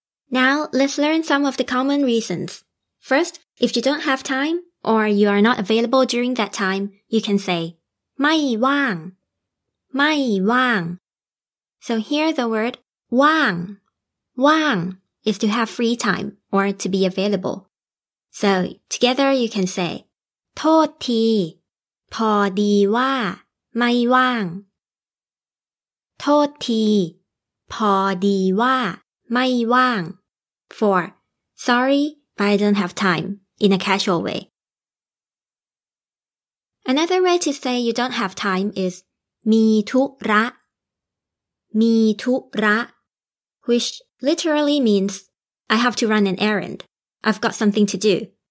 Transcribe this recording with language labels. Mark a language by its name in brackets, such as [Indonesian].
[English] Now, let's learn some of the common reasons. First, if you don't have time or you are not available during that time, you can say [Thai] ไม่ว่าง ไม่ว่าง. [English] So here the word ว่าง ว่าง is to have free time or to be available. So together you can say [Thai] โทษทีพอดีว่าไม่ว่าง โทษทีพอดีว่าไม่ว่าง. [English] For sorry, but I don't have time, in a casual way. Another way to say you don't have time is [Thai] มีธุระ มีธุระ, [English] which literally means I have to run an errand, I've got something to do.